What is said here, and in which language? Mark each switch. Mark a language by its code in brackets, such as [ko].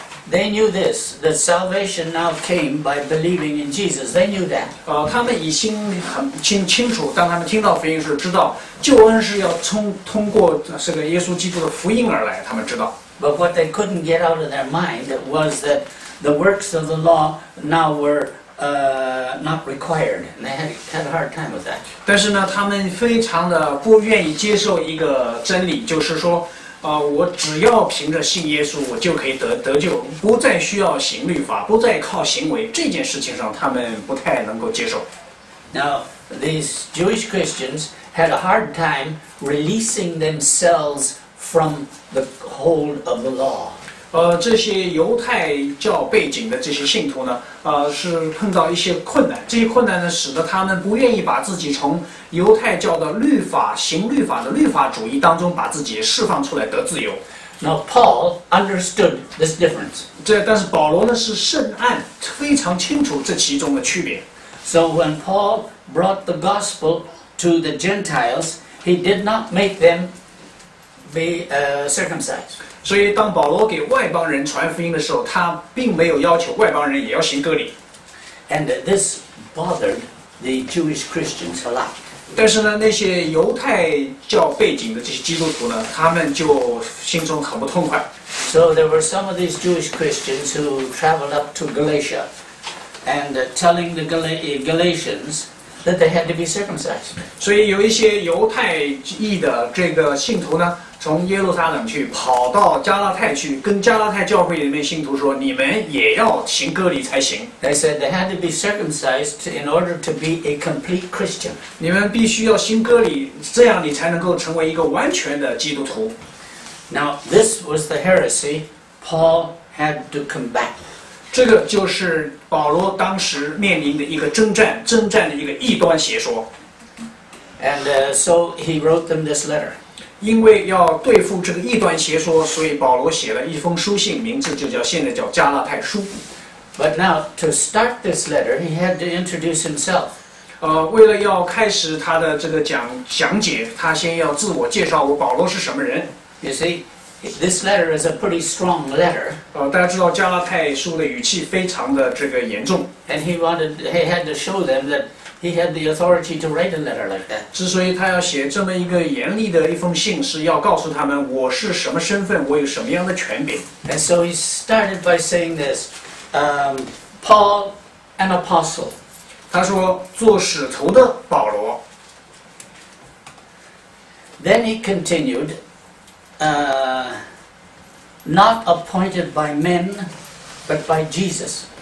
[en] They knew this, that salvation now came by believing in Jesus. They knew that. [zh] 他们已经很清楚，当他们听到福音时，知道救恩是要通过这个耶稣基督的福音而来。他们知道。 [en] But what they couldn't get out of their mind was that the works of the law now were not required. They had a hard time with that. [zh] 但是呢，他们非常的不愿意接受一个真理，就是说。我只要凭着信耶稣，我就可以得救，不再需要行律法，不再靠行为。这件事情上，他们不太能够接受。 [en] Now these Jewish Christians had a hard time releasing themselves from the hold of the law. [zh] 这些犹太教背景的这些信徒呢，是碰到一些困难。这些困难呢，使得他们不愿意把自己从犹太教的律法、行律法的律法主义当中把自己释放出来得自由。 [en] Now Paul understood this difference. [zh] 对，但是保罗呢是深谙非常清楚这其中的区别。 [en] So when Paul brought the gospel to the Gentiles, he did not make them be circumcised. [zh] 所以当保罗给外邦人传福音的时候，他并没有要求外邦人也要行割礼。 [en] And this bothered the Jewish Christians a lot. [zh] 但是呢，那些犹太教背景的这些基督徒呢，他们就心中很不痛快。 [en] So there were some of these Jewish Christians who traveled up to Galatia and telling the Galatians that they had to be circumcised. [zh] 所以有一些犹太裔的这个信徒呢，从耶路撒冷去跑到加拉太去，跟加拉太教会里面信徒说，你们也要行割礼才行。 [en] They said they had to be circumcised in order to be a complete Christian. [zh] 你们必须要行割礼，这样你才能够成为一个完全的基督徒。 [en] Now this was the heresy Paul had to combat. [zh] 这个就是保罗当时面临的一个征战的一个异端邪说。 [en] And so he wrote them this letter. [zh] 因为要对付这个异端邪说，所以保罗写了一封书信，名字就叫现在叫加拉太书。 [en] But now to start this letter, he had to introduce himself. [zh] 为了要开始他的这个讲解，他先要自我介绍，我保罗是什么人。 [en] You see, this letter is a pretty strong letter. [zh] 大家知道加拉太书的语气非常的这个严重。 [en] And he had to show them that he had the authority to write a letter like that. [zh] 之所以他要写这么一个严厉的一封信，是要告诉他们我是什么身份，我有什么样的权柄。 [en] And so he started by saying this, Paul, an apostle. [zh] 他说做使徒的保罗。 [en] Then he continued, not appointed by men, but by Jesus.